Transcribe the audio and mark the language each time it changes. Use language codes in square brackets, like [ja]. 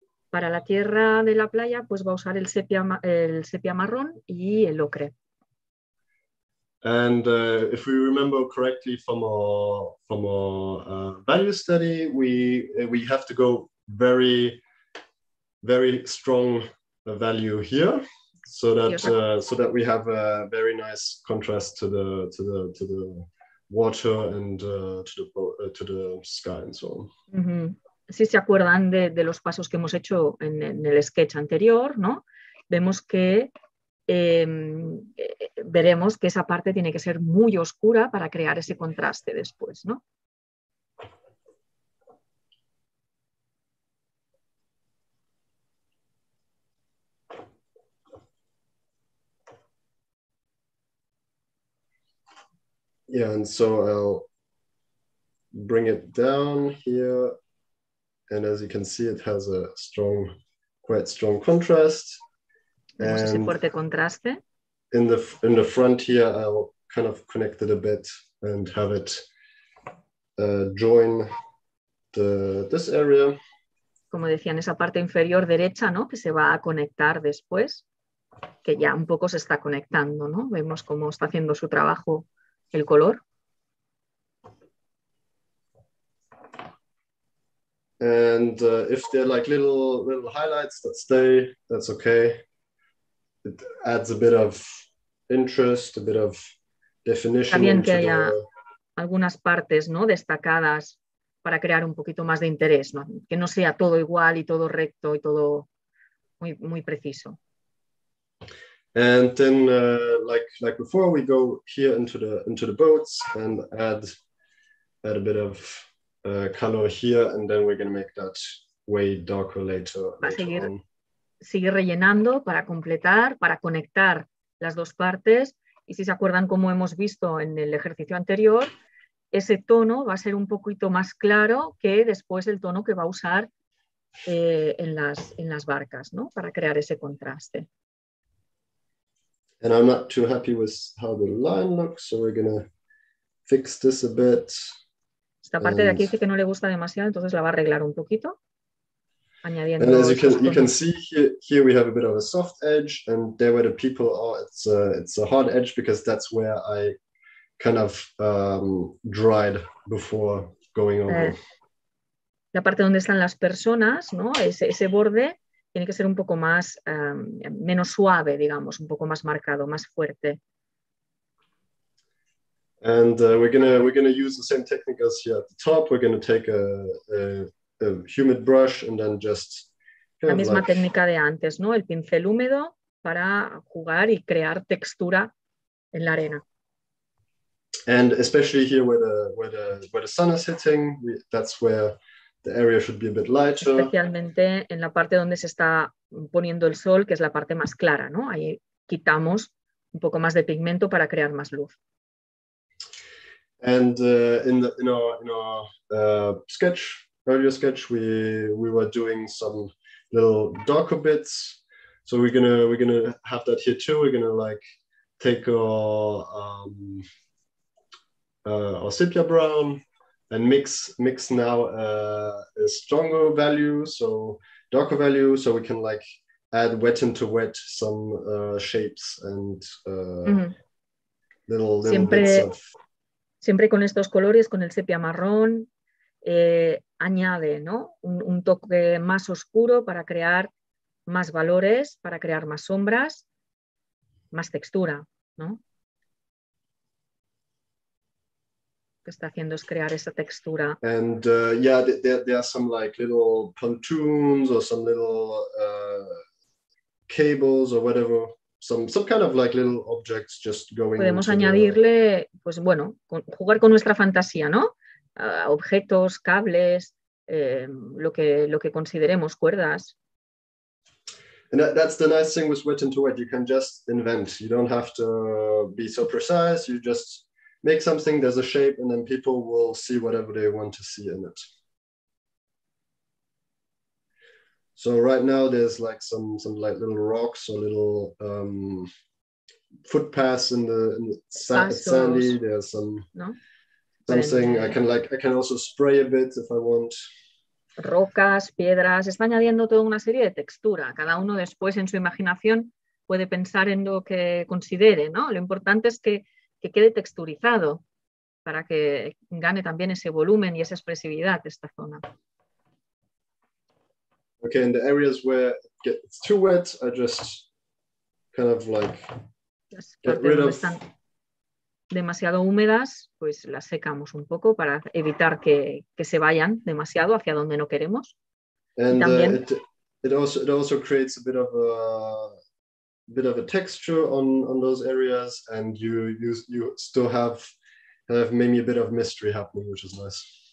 [es] Para la tierra de la playa, pues va a usar el sepia marrón y el ocre. [en] And if we remember correctly from our value study, we have to go very, very strong value here, so that we have a very nice contrast to the water and to the sky and so on. Mm-hmm. [es] Si se acuerdan de los pasos que hemos hecho en el sketch anterior, ¿no? Vemos que veremos que esa parte tiene que ser muy oscura para crear ese contraste después, ¿no? [en] Yeah, and so I'll bring it down here. And as you can see, it has a strong, quite strong contrast. [es] Ese fuerte contraste. [en] In the front here, I'll kind of connect it a bit and have it join this area. [es] Como decían, esa parte inferior derecha, ¿no? Que se va a conectar después, que ya un poco se está conectando, ¿no? Vemos cómo está haciendo su trabajo el color. [en] And if they're like little highlights that stay, that's okay. It adds a bit of interest, a bit of definition. [es] También que haya algunas partes, ¿no? Destacadas para crear un poquito más de interés, ¿no? Que no sea todo igual y todo recto y todo muy muy preciso. [en] And then, like before, we go here into the boats and add a bit of color here, and then we're going to make that way darker later. [es] Sigue rellenando para completar, para conectar las dos partes. Y si se acuerdan, como hemos visto en el ejercicio anterior, ese tono va a ser un poquito más claro que después el tono que va a usar en las barcas, ¿no? Para crear ese contraste. [en] And I'm not too happy with how the line looks, so we're going to fix this a bit. [es] Esta parte de aquí dice que no le gusta demasiado, entonces la va a arreglar un poquito, añadiendo. [en] And as you can see here we have a bit of a soft edge, and there where the people are, it's a hard edge, because that's where I kind of dried before going over. [es] La parte donde están las personas, ¿no? Ese borde tiene que ser un poco más menos suave, digamos, un poco más marcado, más fuerte. [en] And we're gonna use the same technique as here at the top. We're gonna take a humid brush and then just [es] la misma técnica de antes, ¿no? El pincel húmedo para jugar y crear textura en la arena. [en] And especially here where the sun is hitting, that's where the area should be a bit lighter. [es] Especialmente en la parte donde se está poniendo el sol, que es la parte más clara, ¿no? Ahí quitamos un poco más de pigmento para crear más luz. [en] And in our sketch, earlier sketch, we were doing some little darker bits. So we're gonna have that here too. We're gonna like take our sepia brown and mix now a stronger value, so darker value, so we can like add wet into wet some shapes and little bits of. [es] Siempre con estos colores, con el sepia marrón, añade, ¿no? un toque más oscuro para crear más valores, para crear más sombras. más textura, ¿no? Lo que está haciendo es crear esa textura. [en] And yeah, there are some like little pontoons or some little cables or whatever. Some kind of like little objects just going. [es] Podemos añadirle, pues bueno, jugar con nuestra fantasía, ¿no? Objetos, cables, lo que consideremos, cuerdas. [en] And that's the nice thing with wet into wet. You can just invent. You don't have to be so precise. You just make something. There's a shape, and then people will see whatever they want to see in it. So right now there's like some like little rocks or little footpaths in the sandy. There's some something I can like I can also spray a bit if I want. [es] Rocas, piedras, está añadiendo toda una serie de textura. Cada uno después en su imaginación puede pensar en lo que considere, ¿no? Lo importante es que quede texturizado para que gane también ese volumen y esa expresividad esta zona. [en] Okay, in the areas where it gets too wet, I just kind of like get rid of. [es] Demasiado húmedas, pues las secamos un poco para evitar que se vayan demasiado hacia donde no queremos. [en] And it also creates a bit of a texture on those areas, and you still have maybe a bit of mystery happening, which is nice.